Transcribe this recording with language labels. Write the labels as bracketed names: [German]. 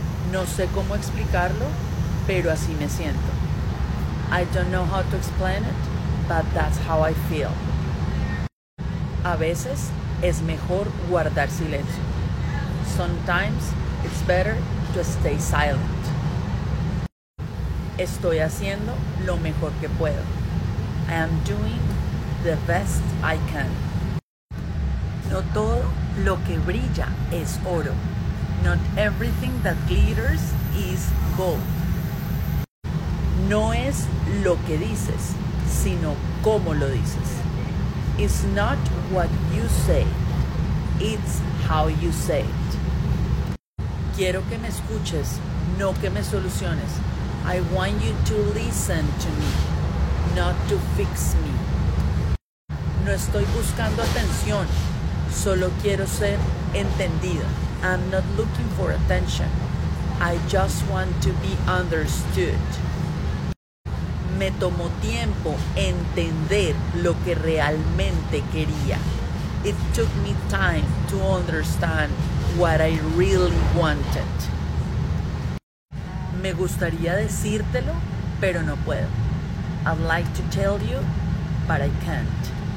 [Spanish] No sé cómo explicarlo, pero así me siento. [English] I don't know how to explain it, but that's how I feel. [Spanish] A veces es mejor guardar silencio. [English] Sometimes it's better to stay silent. [Spanish] Estoy haciendo lo mejor que puedo. [English] I am doing the best I can. [Spanish] No todo lo que brilla es oro. [English] Not everything that glitters is gold. [Spanish] No es lo que dices, sino cómo lo dices. [English] It's not what you say, it's how you say it. [Spanish] Quiero que me escuches, no que me soluciones. [English] I want you to listen to me, not to fix me. [Spanish] No estoy buscando atención, solo quiero ser entendida. [English] I'm not looking for attention, I just want to be understood. [Spanish] Me tomó tiempo entender lo que realmente quería. [English] It took me time to understand what I really wanted. [Spanish] Me gustaría decírtelo, pero no puedo. [English] I'd like to tell you, but I can't.